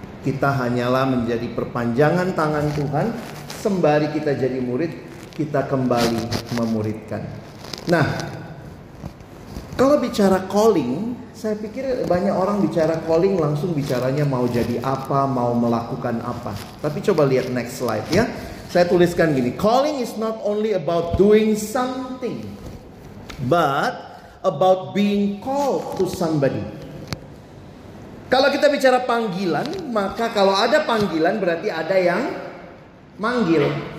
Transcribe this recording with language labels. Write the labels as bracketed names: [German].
[Indonesian] Kita hanyalah menjadi perpanjangan tangan Tuhan. Sembari kita jadi murid, kita kembali memuridkan. Nah, kalau bicara calling, saya pikir banyak orang bicara calling langsung bicaranya mau jadi apa, mau melakukan apa. Tapi coba lihat next slide ya. Saya tuliskan gini, [English] calling is not only about doing something, but about being called to somebody. [Indonesian] Kalau kita bicara panggilan, maka kalau ada panggilan berarti ada yang manggil.